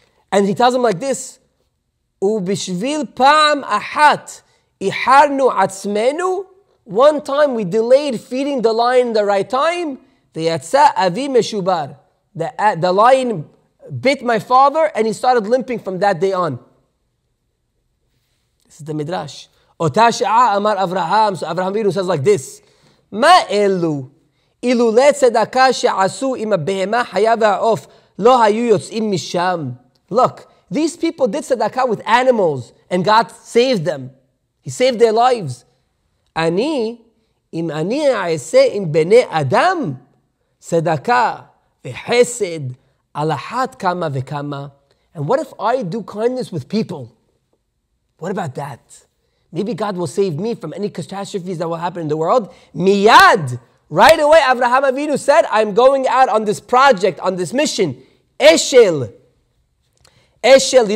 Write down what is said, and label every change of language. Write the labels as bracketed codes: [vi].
[en] And he tells him like this, [he] ובשביל פעם אחת איחרנו עצמנו, [en] one time we delayed feeding the lion the right time, [he] ויצא אבי משובר. [en] The lion bit my father and he started limping from that day on. This is the Midrash. [he] אותה שעה אמר אברהם, so אברהם אבינו [en] says like this, [he] מה אלו? אילולי צדקה שעשו עם הבהמה חיה והעוף לא היו יוצאים משם. [en] Look, these people did tzedakah with animals and God saved them. He saved their lives. [he] אני, אם אני אעשה עם בני אדם צדקה וחסד על אחת כמה וכמה. [en] And what if I do kindness with people? What about that? Maybe God will save me from any catastrophes that will happen in the world. מיד! Right away, Avraham Avinu said, I'm going out on this project, on this mission. Eshel. Eshel.